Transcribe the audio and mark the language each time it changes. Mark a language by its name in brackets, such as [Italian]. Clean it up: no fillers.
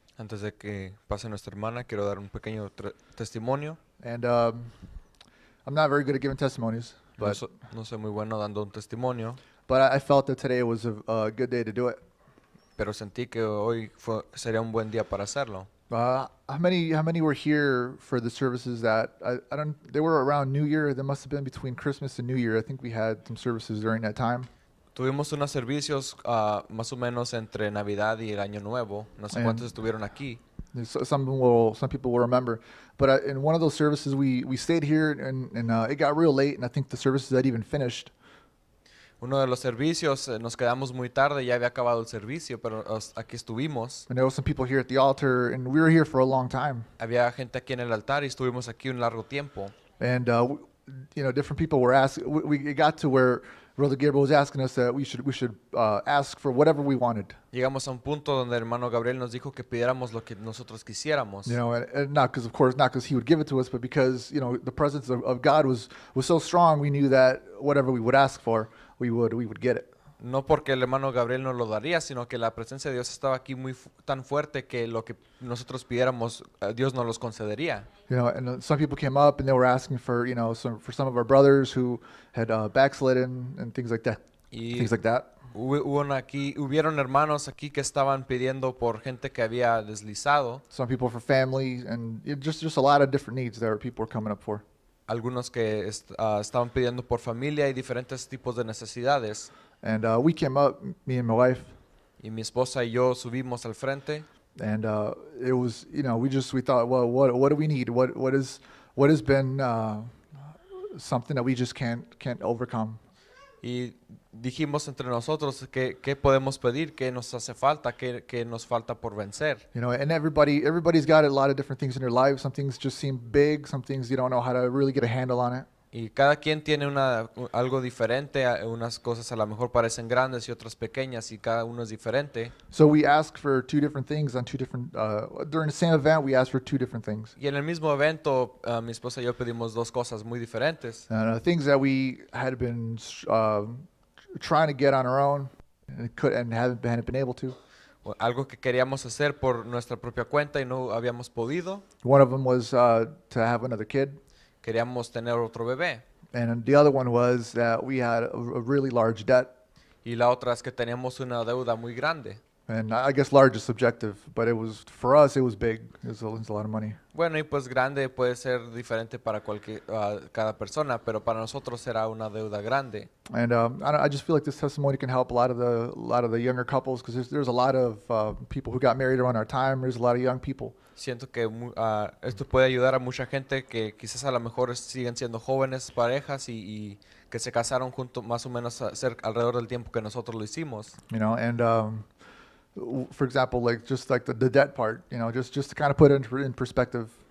[Spanish] Antes de que pase nuestra hermana, quiero dar un pequeño testimonio. [English] And I'm not very good at giving testimonies, but [Spanish] no soy muy bueno dando un testimonio. [English] But I felt that today was a good day to do it. [Spanish] Pero sentí que hoy sería un buen día para hacerlo. [English] How many were here for the services that they were around New Year? They must have been between Christmas and New Year. I think we had some services during that time. [Spanish] Tuvimos unos servicios más o menos entre Navidad y el Año Nuevo. No sé cuántos estuvieron aquí. [English] Some people will remember, but in one of those services we stayed here and it got real late, and I think the services had even finished. [Spanish] Uno de los servicios, nos quedamos muy tarde, ya había acabado el servicio, pero aquí estuvimos. [English] And there were some people here at the altar, and we were here for a long time. [Spanish] Había gente aquí en el altar y estuvimos aquí un largo tiempo. [English] And, different people were asking, it got to where Brother Gabriel was asking us that we should ask for whatever we wanted. [Spanish] Llegamos a un punto donde el hermano Gabriel nos dijo que pidiéramos lo que nosotros quisiéramos. [English] You know, not because he would give it to us, but because, you know, the presence of God was so strong, we knew that whatever we would ask for, we would get it. [Spanish] No porque el hermano Gabriel no lo daría, sino que la presencia de Dios estaba aquí muy tan fuerte que lo que nosotros pidiéramos, Dios nos los concedería. [English] You know, and some people came up and they were asking for, you know, some of our brothers who had backslidden and things like that. [Spanish] Hubieron hermanos aquí que estaban pidiendo por gente que había deslizado. [English] Some people for family and just a lot of different needs that people were coming up for. [Spanish] Algunos que estaban pidiendo por familia y diferentes tipos de necesidades. [English] And we came up, me and my wife. [Spanish] Y mi esposa y yo subimos al frente. [English] And it was, you know, we thought, well, what do we need? What has been something that we just can't overcome? [Spanish] Y dijimos entre nosotros qué podemos pedir, qué nos hace falta, qué nos falta por vencer. [English] You know, and everybody's got a lot of different things in their life. Some things just seem big. Some things you don't know how to really get a handle on it. [Spanish] Y cada quien tiene algo diferente. Unas cosas a lo mejor parecen grandes y otras pequeñas, y cada uno es diferente. [English] So we ask for two different things on two different during the same event. We ask for two different things. [Spanish] Y en el mismo evento, mi esposa y yo pedimos dos cosas muy diferentes. [English] And, things that we had been trying to get on our own and haven't been able to. [Spanish] Algo que queríamos hacer por nuestra propia cuenta y no habíamos podido. [English] One of them was to have another kid. [Spanish] Queríamos tener otro bebé. [English] And the other one was that we had a really large debt. [Spanish] Y la otra es que teníamos una deuda muy grande. [English] And I guess large is subjective, but it was, for us, it was big. It's a lot of money. [Spanish] Bueno, y pues grande puede ser diferente para cada persona, pero para nosotros era una deuda grande. [English] And I just feel like this testimony can help a lot of the younger couples, because there's a lot of people who got married around our time. There's a lot of young people. [Spanish] Siento que esto puede ayudar a mucha gente que quizás a lo mejor siguen siendo jóvenes parejas y que se casaron junto más o menos alrededor del tiempo que nosotros lo hicimos. [English] You know, and for example, like just like the debt part, you know, just to kind of put it in perspective.